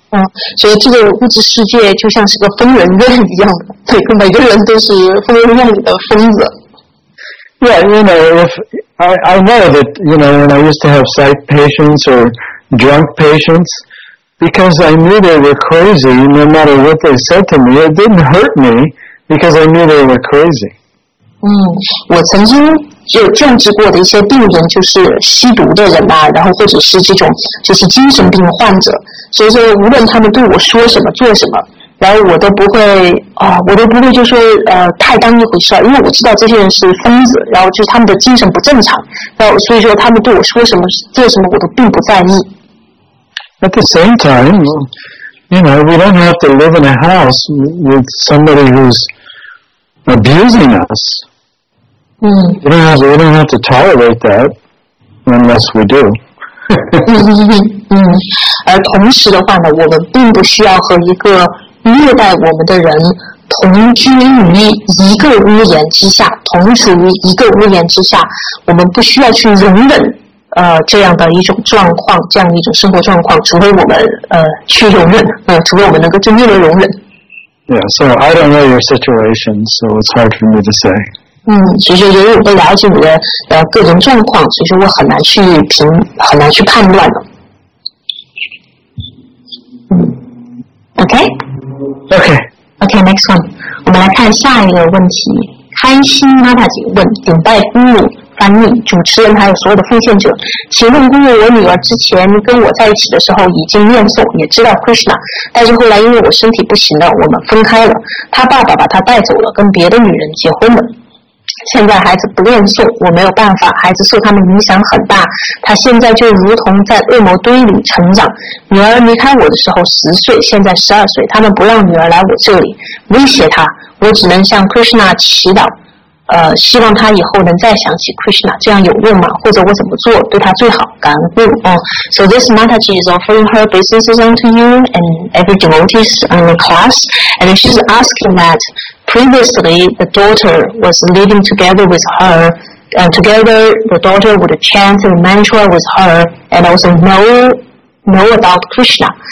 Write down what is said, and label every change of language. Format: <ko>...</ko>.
<zh>嗯，所以这个物质世界就像是个疯人院一样，每个人都是疯人院里的疯子。</zh> <en>Yeah, you know, if I know that, you know, when I used to have psych patients or drunk patients, because I knew they were crazy, no matter what they said to me, it didn't hurt me because I knew they were crazy.</en> <zh>嗯，我曾经就见识过的一些病人，就是吸毒的人呐、啊，然后或者是这种就是精神病患者，所以说无论他们对我说什么、做什么。然后我都不会啊、哦，我都不会就说太当一回事儿，因为我知道这些人是疯子，然后就是他们的精神不正常，然后所以说他们对我说什么做什么我都并不在意。</zh> <en>At the same time, you know, we don't have to live in a house with somebody who's abusing us. 嗯。 We don't have to tolerate that unless we do.</en> <zh>而同时的话呢，我们并不需要和一个虐待我们的人同居于一个屋檐之下，同处于一个屋檐之下，我们不需要去容忍这样的一种状况，这样一种生活状况，除非我们去容忍，除非我们能够真正的容忍。</zh> <en>Yeah, so I don't know your situation, so it's hard for me to say.</en> <zh>其实由于我不了解你的个人状况，其实我很难去评，很难去判断的。</zh> <en>OK。 Okay, next one.</en> <zh>我们来看下一个问题。开心妈妈姐问，顶戴公路翻译主持人还有所有的奉献者，请问公路，我女儿之前跟我在一起的时候已经念诵，也知道 Krishna， 但是后来因为我身体不行了，我们分开了。她爸爸把她带走了，跟别的女人结婚了。现在孩子不念诵，我没有办法，孩子受他们影响很大，他现在就如同在恶魔堆里成长。女儿离开我的时候10岁，现在12岁，他们不让女儿来我这里，威胁他，我只能向 Krishna 祈祷，希望他以后能再想起 Krishna， 这样有用吗？或者我怎么做对他最好？感恩公路。</zh> <en>So this Mataji is offering her businesses onto you and every devotees on the class, and she's asking that previously the daughter was living together with her, and together the daughter would chant and mantra with her, and also know about Krishna.</en>